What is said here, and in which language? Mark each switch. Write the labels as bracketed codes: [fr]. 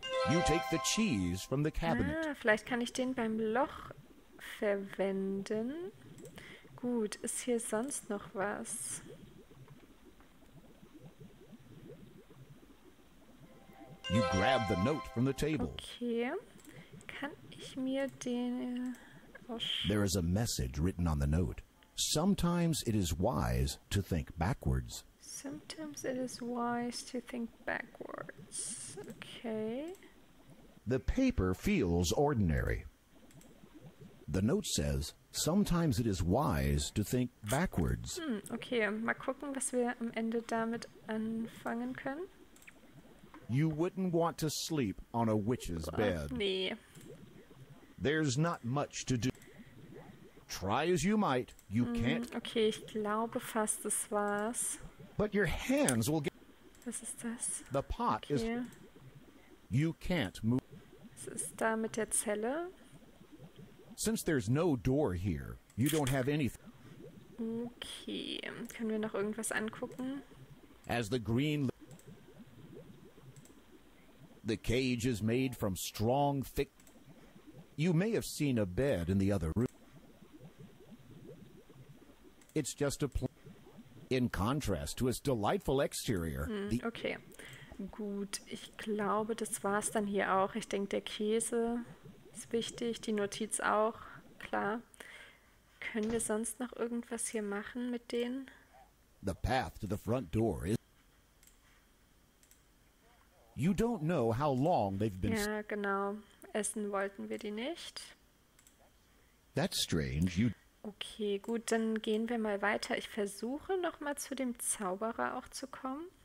[en] You take the cheese from the cabinet. [de] Ah, vielleicht kann ich den beim Loch verwenden. Gut, ist hier sonst noch was? [en] You grab the note from the table. [de] Okay. Kann ich mir den... [en] There is a message written on the note. Sometimes it is wise to think backwards. Sometimes it is wise to think backwards. Okay. The paper feels ordinary. The note says, sometimes it is wise to think backwards. [de] Okay, mal gucken, was wir am Ende damit anfangen können. [en] You wouldn't want to sleep on a witch's bed. [de] Nee. [en] There's not much to do. Try as you might, you can't... [de] Okay, ich glaube fast, das war's. [en] But your hands will get... [de] Was ist das? [en] The pot okay. is... You can't move... [de] Was ist da mit der Zelle? [en] Since there's no door here, you don't have anything. [de] Okay, können wir noch irgendwas angucken? [en] As the green... The cage is made from strong, thick... You may have seen a bed in the other room. It's just a plain... In contrast to its delightful exterior, the... [de] Okay, gut. Ich glaube, das war's dann hier auch. Ich denke, der Käse... Ist wichtig, die Notiz auch, klar. Können wir sonst noch irgendwas hier machen mit denen? [en] The path to the front door is... You don't know how long they've been... [de] Ja, genau. Essen wollten wir die nicht. [en] That's strange. You... [de] Okay, gut, dann gehen wir mal weiter. Ich versuche nochmal zu dem Zauberer auch zu kommen.